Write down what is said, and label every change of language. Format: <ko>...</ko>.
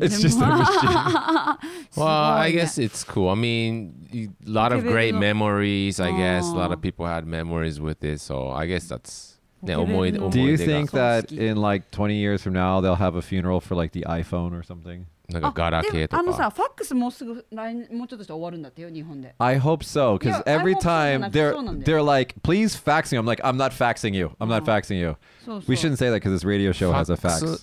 <en>It's just a machine. Well, I guess it's cool. I mean, a lot of great memories, I guess. A lot of people had memories with it, so I guess that's... Do you think that in like 20 years from now, they'll have a funeral for like the iPhone or something?</en> <ja>なんかガラケーとか。あのさ、ファックスもうすぐ来年もうちょっとして終わるんだってよ、日本で。</ja> <en>I hope so, because every time they're like, please fax me. I'm like, I'm not faxing you. I'm not faxing you. We shouldn't say that because this radio show has a fax.</en>